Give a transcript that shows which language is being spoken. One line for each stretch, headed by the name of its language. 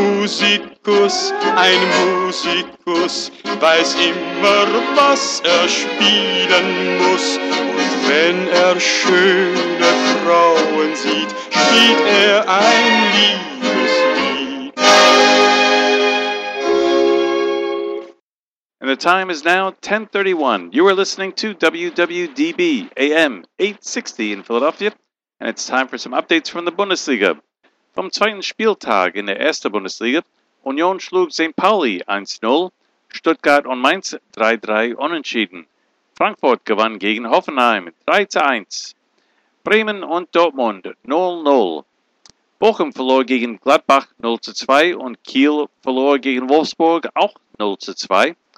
German: Ein Musikus weiß immer, was er spielen muss. Und wenn er schöne Frauen sieht, spielt er ein Liebeslied.
English: And the time is now 10:31. You are listening to WWDB AM 860 in Philadelphia. And it's time for some updates from the Bundesliga.
German: Vom zweiten Spieltag in der ersten Bundesliga, Union schlug St. Pauli 1-0, Stuttgart und Mainz 3-3 unentschieden. Frankfurt gewann gegen Hoffenheim 3-1. Bremen und Dortmund 0-0. Bochum verlor gegen Gladbach 0-2 und Kiel verlor gegen Wolfsburg auch 0-2.